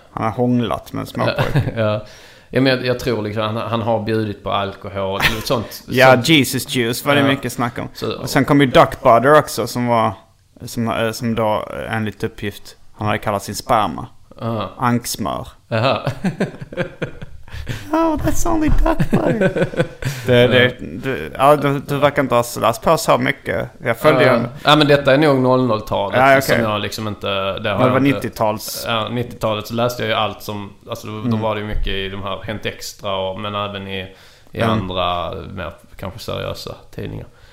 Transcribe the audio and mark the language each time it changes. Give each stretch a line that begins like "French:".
Swedish: Han har hånglat med små pojken. Ja. Ja, men jag tror liksom han har bjudit på alkohol och sånt. Ja, sånt. Jesus juice var det mycket snack om. Så, och sen kom ju duck butter också som var som då enligt uppgift han hade kallat sin sperma. Anksmör.
English: Oh, that's only duck butter.
Swedish: Du verkar inte ha slast på så mycket. Jag följer men detta är nog 00-talet. Ja, okay. Som jag liksom inte, det har var 90-tals. Ja, 90-talet så läste jag ju allt som, alltså, då var det ju mycket i de här Hänt Extra och, men även i andra mer kanske seriösa tidningar.